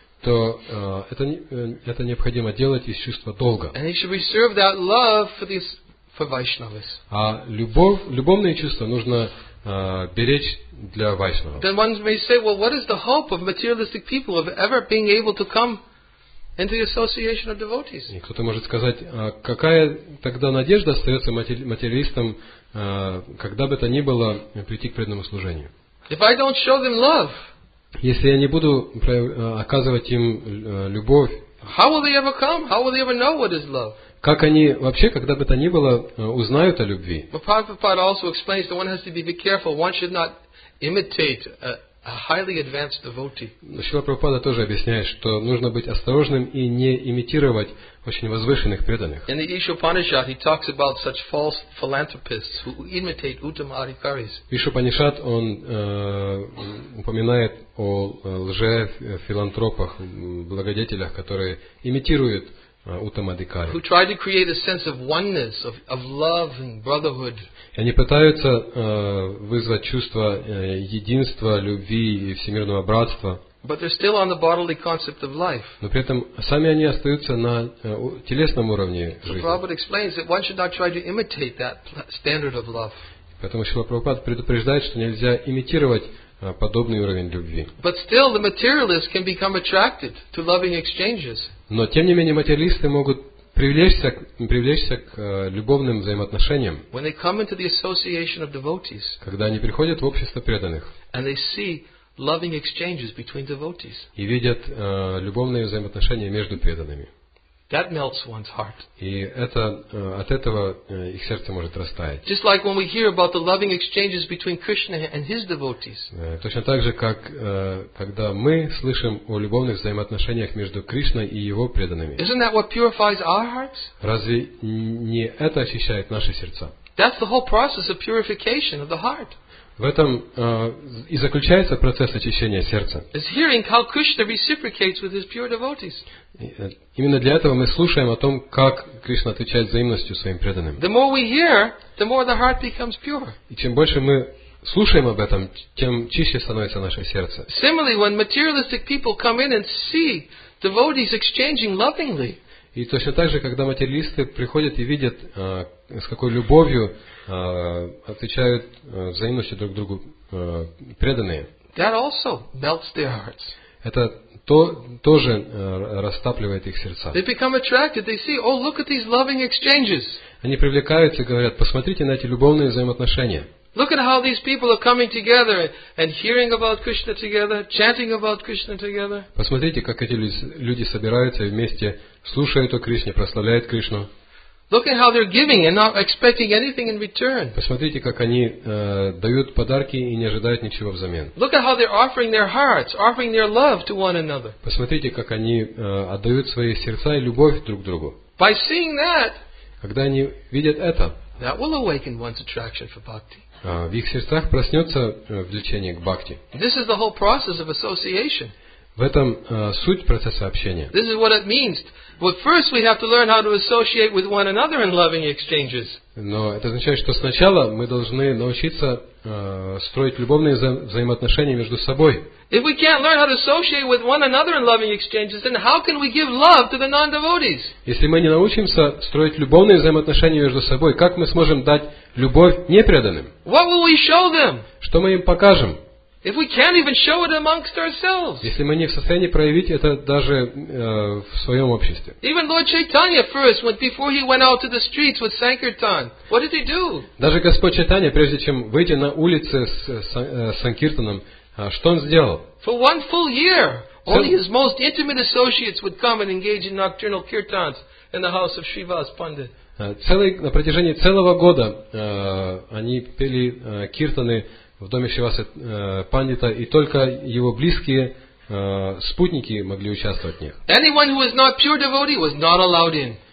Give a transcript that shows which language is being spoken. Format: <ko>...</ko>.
<ru>То это необходимо делать из чувства долга.</ru> <en>And he should reserve that love for these for Vaishnavas.</en> <ru>А любовные чувства нужно беречь для Вайшнава.</ru> <en>Then one may say, well, what is the hope of materialistic people of ever being able to come into the association of devotees?</en> <ru>Кто-то может сказать, какая тогда надежда остается материалистам, когда бы то ни было прийти к преданному служению?</ru> <en>If I don't show them love,</en> <ru>если я не буду оказывать им любовь,</ru> <en>how will they ever come? How will they ever know what is love?</en> <ru>Как они вообще, когда бы то ни было, узнают о любви?</ru> <en>But Prabhupada also explains that one has to be careful. One should not imitate a highly advanced devotee.</en> <ru>Шрила Прабхупада тоже объясняет, что нужно быть осторожным и не имитировать очень возвышенных преданных.</ru> <en>In the Ишупанишад, he talks about such false philanthropists who imitate Uttama Adhikaris.</en> <ru>Ишупанишад, он упоминает о лже-филантропах, благодетелях, которые имитируют Uttama Adhikari.</ru> <en>Who try to create a sense of oneness, of love and brotherhood.</en> <ru>Они пытаются вызвать чувство единства, любви и всемирного братства.</ru> <en>But they're still on the bodily concept of life.</en> <ru>Но при этом сами они остаются на телесном уровне жизни.</ru> <en>Prabhupada explains that one should not try to imitate that standard of love.</en> <ru>Поэтому Шрила Прабхупада предупреждает, что нельзя имитировать подобный уровень любви.</ru> <en>But still, the materialist can become attracted to loving exchanges.</en> <ru>Но тем не менее материалисты могут привлечься к любовным взаимоотношениям,</ru> <en>when they come into the association of devotees,</en> <ru>когда они приходят в общество преданных,</ru> <en>and they see loving exchanges between devotees,</en> <ru>и видят любовные взаимоотношения между преданными.</ru> <en>That melts one's heart.</en> <ru>И это от этого их сердце может растаять.</ru> <en>Just like when we hear about the loving exchanges between Krishna and his devotees.</en> <ru>Точно так же, как когда мы слышим о любовных взаимоотношениях между Кришной и его преданными.</ru> <en>Isn't that what purifies our hearts?</en> <ru>Разве не это очищает наши сердца?</ru> <en>That's the whole process of purification of the heart.</en> <ru>В этом и заключается процесс очищения сердца.</ru> <en>Is hearing how Krishna reciprocates with his pure devotees.</en> <ru>Именно для этого мы слушаем о том, как Кришна отвечает взаимностью своим преданным.</ru> <en>The more we hear, the more the heart becomes pure.</en> <ru>И чем больше мы слушаем об этом, тем чище становится наше сердце.</ru> <en>Similarly, when materialistic people come in and see devotees exchanging lovingly.</en> <ru>И точно так же, когда материалисты приходят и видят, с какой любовью отвечают взаимностью друг другу преданные.</ru> <en>That also melts their hearts.</en> <ru>Это тоже растапливает их сердца.</ru> <en>They become attracted. They see, oh, look at these loving exchanges.</en> <ru>Они привлекаются и говорят, посмотрите на эти любовные взаимоотношения.</ru> <en>Look at how these people are coming together and hearing about Krishna together, chanting about Krishna together.</en> <ru>Посмотрите, как эти люди собираются вместе, слушают о Кришне, прославляют Кришну.</ru> <en>Look at how they're giving and not expecting anything in return.</en> <ru>Посмотрите, как они дают подарки и не ожидают ничего взамен.</ru> <en>Look at how they're offering their hearts, offering their love to one another.</en> <ru>Посмотрите, как они отдают свои сердца и любовь друг другу.</ru> <en>By seeing that,</en> <ru>когда они видят это,</ru> <en>that will awaken one's attraction for bhakti.</en> <ru>В их сердцах проснется влечение к бхакти.</ru> <en>This is the whole process of association. В этом суть процесса общения. This is what it means. But first we have to learn how to associate with one another in loving exchanges.</en> <ru>Но это означает, что сначала мы должны научиться строить любовные взаимоотношения между собой.</ru> <en>If we can't learn how to associate with one another in loving exchanges, then how can we give love to the non-devotees?</en> <ru>Если мы не научимся строить любовные взаимоотношения между собой, как мы сможем дать любовь непреданным?</ru> <en>What will we show them?</en> <ru>Что мы им покажем?</ru> <en>If we can't even show it amongst ourselves.</en> <ru>Если мы не в состоянии проявить это даже в своем обществе.</ru> <en>Even Lord Chaitanya first, before he went out to the streets with Sankirtan, what did he do?</en> <ru>Даже Господь Чайтанья, прежде чем выйти на улицы с Санкиртаном, что он сделал?</ru> <en>For one full year, only his most intimate associates would come and engage in nocturnal kirtans in the house of Shrivas Pandit.</en> <ru>На протяжении целого года они пели киртаны в доме Шивасы Пандита, и только его близкие спутники могли участвовать в них.</ru> <en>Anyone who was not pure devotee was not allowed in.</en>